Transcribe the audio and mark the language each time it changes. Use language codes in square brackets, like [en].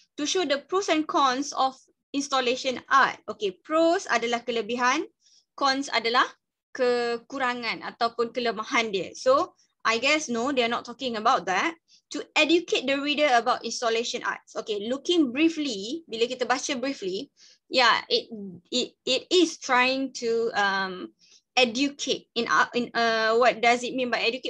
[en] To show the pros and cons of installation art. [ms] Okay, pros adalah kelebihan. Cons adalah kekurangan ataupun kelemahan dia. [en] So, I guess no, they are not talking about that. To educate the reader about installation arts. Okay, looking briefly, [ms] bila kita baca [en] briefly, yeah, it is trying to educate in what does it mean by educate?